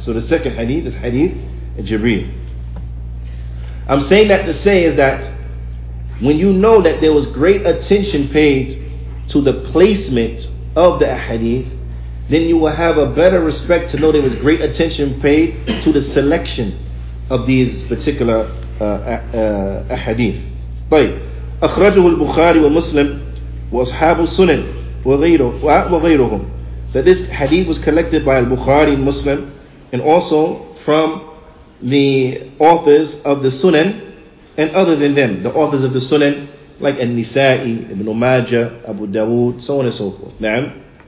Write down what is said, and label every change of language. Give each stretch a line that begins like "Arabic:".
English: So the second hadith is hadith Jibreel. I'm saying that to say is that when you know that there was great attention paid to the placement of the hadith, then you will have a better respect to know there was great attention paid to the selection of these particular ahadith.
Arabic: طيب أخرجه البخاري ومسلم وأصحاب السنن وغيرهم.
English: That this hadith was collected by al-Bukhari and Muslim, and also from the authors of the Sunan and other than them, the authors of the Sunan like al-Nisa'i, Ibn Majah, Abu Dawood, so on and so forth. نعم.